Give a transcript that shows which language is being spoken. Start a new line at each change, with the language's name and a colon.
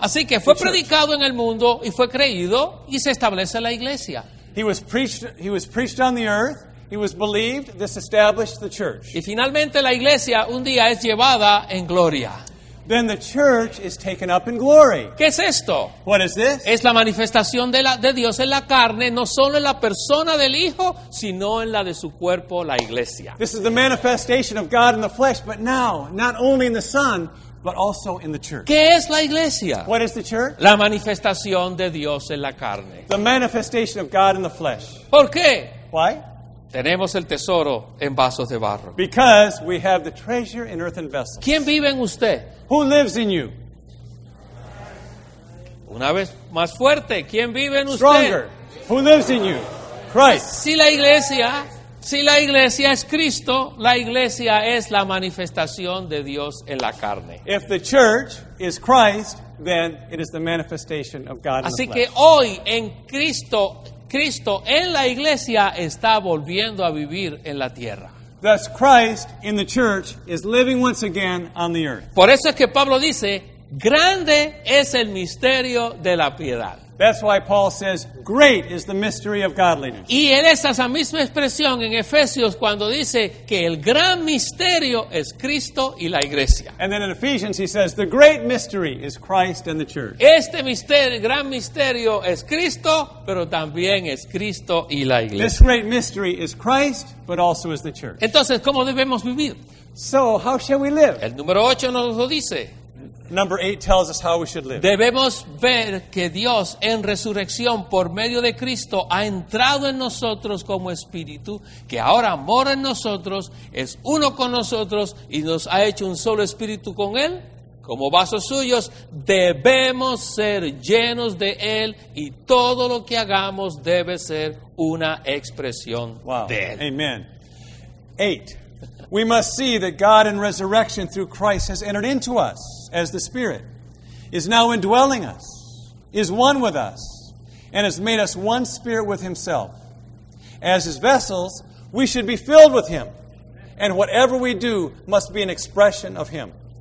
Spanish: Así que fue predicado en el mundo y fue creído y se establece la iglesia.
English: He was preached on the earth. He was believed. This established the church.
Spanish: Y finalmente la iglesia un día es llevada en gloria.
English: Then the church is taken up in glory.
Spanish: ¿Qué es esto?
English: What is this?
Spanish: Es la manifestación de Dios en la carne, no solo en la persona del Hijo, sino en la de su cuerpo, la iglesia.
English: This is the manifestation of God in the flesh, but now, not only in the Son, but also in the church.
Spanish: ¿Qué es la iglesia?
English: What is the church?
Spanish: La manifestación de Dios en la carne.
English: The manifestation of God in the flesh.
Spanish: ¿Por qué?
English: Why?
Spanish: Tenemos el tesoro en vasos de barro.
English: Because we have the treasure in earthen vessels.
Spanish: ¿Quién vive en usted?
English: Who lives in you?
Spanish: Una vez más fuerte, ¿quién vive en usted?
English: Stronger. Who lives in you? Christ.
Spanish: Si la iglesia es Cristo, la iglesia es la manifestación de Dios en la carne.
English: If the church is Christ, then it is the manifestation of God in the flesh.
Spanish: Así que hoy en Cristo, Cristo en la iglesia está volviendo a vivir en la tierra.
English: Thus Christ in the church is living once again on the earth.
Spanish: Por eso es que Pablo dice, grande es el misterio de la piedad.
English: That's why Paul says, great is the mystery of godliness.
Spanish: Y él es esa misma expresión en Efesios cuando dice que el gran misterio es Cristo y la iglesia.
English: And then in Ephesians he says, the great mystery is Christ and the church.
Spanish: Este misterio, gran misterio es Cristo, pero también es Cristo y la iglesia.
English: This great mystery is Christ, but also is the church.
Spanish: Entonces, ¿cómo debemos vivir?
English: So, how shall we live?
Spanish: El número 8 nos lo dice.
English: Number 8 tells us how we should live.
Spanish: Debemos ver que Dios en resurrección por medio de Cristo ha entrado en nosotros como espíritu, que ahora mora en nosotros, es uno con nosotros y nos ha hecho un solo espíritu con él, como vasos suyos, debemos ser llenos de él y todo lo que hagamos debe ser una expresión de él.
English: Wow. Amen. 8. We must see that God in resurrection through Christ has entered into us as the Spirit, is now indwelling us, is one with us, and has made us one spirit with Himself. As His vessels, we should be filled with Him, and whatever we do must be an expression of Him.